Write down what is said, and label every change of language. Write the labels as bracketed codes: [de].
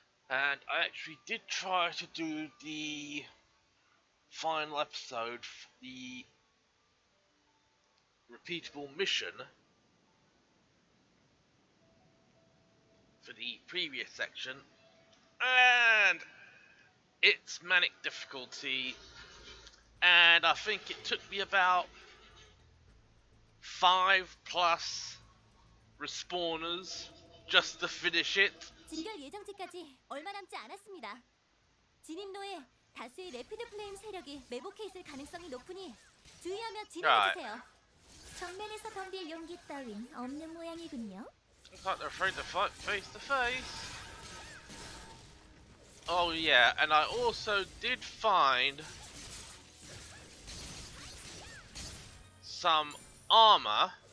[en] And I actually did try to do the final episode for the repeatable mission for the previous section, and it's manic difficulty, and I think it took me about 5 plus respawners just to finish it. [ko] 진결 예정 지까지 얼마 남지 않았습니다. 진입로에 다수의 래피드 플레임 세력이 매복해 있을 가능성이 높으니 주의하며 진입해주세요. 정면에서 덤빌 용기 따윈 없는 모양이군요. [en] Looks like they're afraid to fight face to face. Oh yeah, and I also did find some armor.